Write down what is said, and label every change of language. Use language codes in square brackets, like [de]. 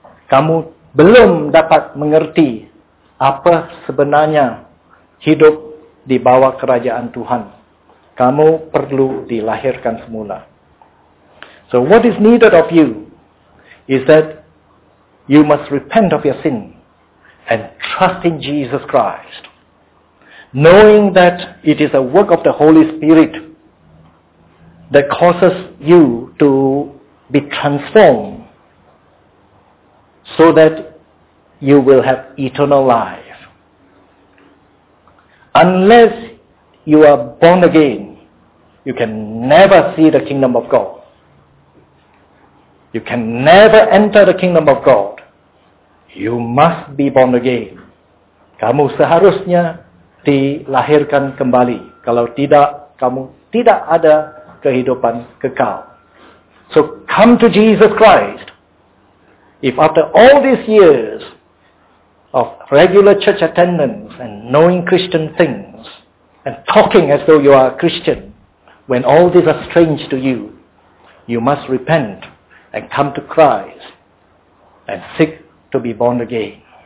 [ms] Kamu belum dapat mengerti apa sebenarnya hidup di bawah kerajaan Tuhan. Kamu perlu dilahirkan semula. [en] So what is needed of you is that you must repent of your sin and trust in Jesus Christ, knowing that it is a work of the Holy Spirit that causes you to be transformed so that you will have eternal life. Unless you are born again, you can never see the kingdom of God. You can never enter the kingdom of God. You must be born again. [ms] Kamu seharusnya dilahirkan kembali. Kalau tidak, kamu tidak ada kehidupan kekal. [en] So come to Jesus Christ. If after all these years of regular church attendance and knowing Christian things and talking as though you are a Christian, when all these are strange to you, you must repent and come to Christ and seek to be born again.